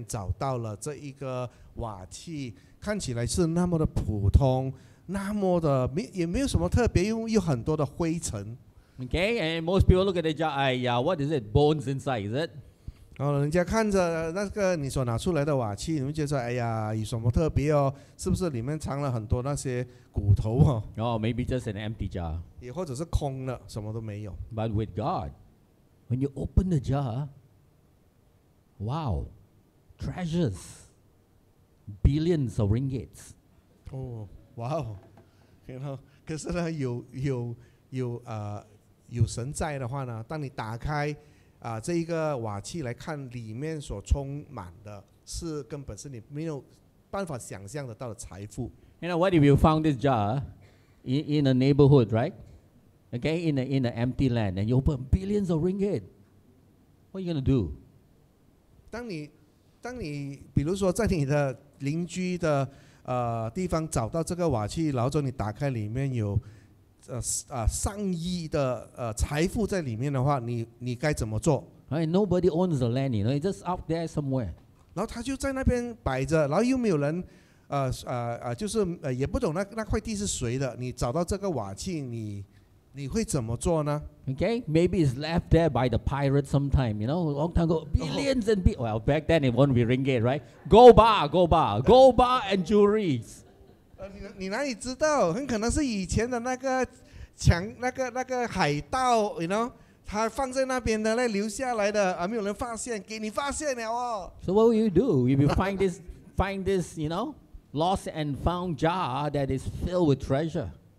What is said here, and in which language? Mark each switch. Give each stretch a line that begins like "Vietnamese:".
Chinese: 就好像你在一个洞穴里面找到了这一个瓦器。看起来是那么的普通，那么的没也没有什么特别，又很多的灰尘。Okay,
English: and most people look at the jar. Yeah, what is it? Bones inside, is it?
Chinese: 然后人家看着那个你所拿出来的瓦器，你们觉得哎呀，有什么特别哦？是不是里面藏了很多那些骨头哦？Oh,
English: maybe just an empty jar.
Chinese: 也或者是空了，什么都没有。But
English: with God, when you open the jar, wow, treasures. Billions of ringgits. Oh, wow!
Chinese: You know, 可是呢，有神在的话呢，当你打开这一个瓦器来看，里面所充满的是根本是你没有办法想象得到的财富。
English: You know, what if you found this jar in a neighborhood, right? Okay, in the empty land, and you open billions of ringgit. What are you gonna do?
Chinese: 当你比如说在你的 邻居的地方找到这个瓦器，然后你打开里面有上亿的财富在里面的话，你该怎么做
English: ？Right, nobody owns the land, you know, it's just out there somewhere.
Chinese: 然后他就在那边摆着，然后又没有人，就是也不懂那块地是谁的。你找到这个瓦器，你会怎么做呢
English: ？Okay, maybe it's left there by the pirate sometime, you know, long time ago. Billions and billions. Well, back then it won't be ringgit, right? Gold bar and jewelries.
Chinese: 你哪里知道？很可能是以前的那个海盗， you know, 他放在那边的，那留下来的，没有人发现，给你发现了哦。
English: So what will you do if you find this, you know, lost and found jar that is filled with treasure.